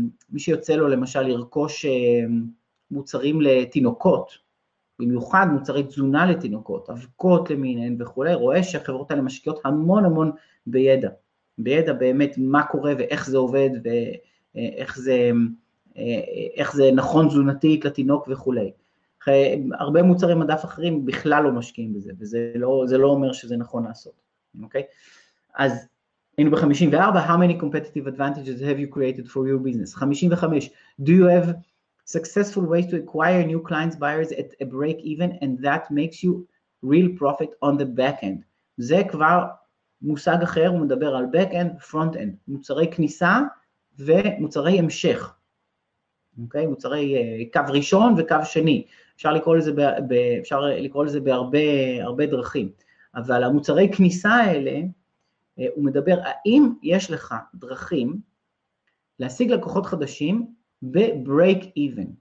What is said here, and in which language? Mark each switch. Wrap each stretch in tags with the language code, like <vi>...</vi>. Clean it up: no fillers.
<he>מי שיוצא לו למשל לרכוש מוצרים לתינוקות, במיוחד מוצרי תזונה לתינוקות, אבקות למיניהן וכולי, רואה שהחברות האלה משקיעות המון המון בידע, בידע באמת מה קורה ואיך זה עובד ואיך זה נכון תזונתית לתינוק וכולי. הרבה מוצרי מדף אחרים בכלל לא משקיעים בזה, וזה לא אומר שזה נכון לעשות. אוקיי? אז היינו ב-54,</he> <en>how many competitive advantages have you created for your business? 55, do you have successful ways to acquire new clients, buyers at a break even, and that makes you real profit on the back end?</en> <he>זה כבר מושג אחר, הוא מדבר על back end, front end, מוצרי כניסה ומוצרי המשך. אוקיי? מוצרי קו ראשון וקו שני. אפשר לקרוא לזה בהרבה דרכים. אבל המוצרי כניסה האלה, הוא מדבר, האם יש לך דרכים להשיג לקוחות חדשים ב-break even?</he>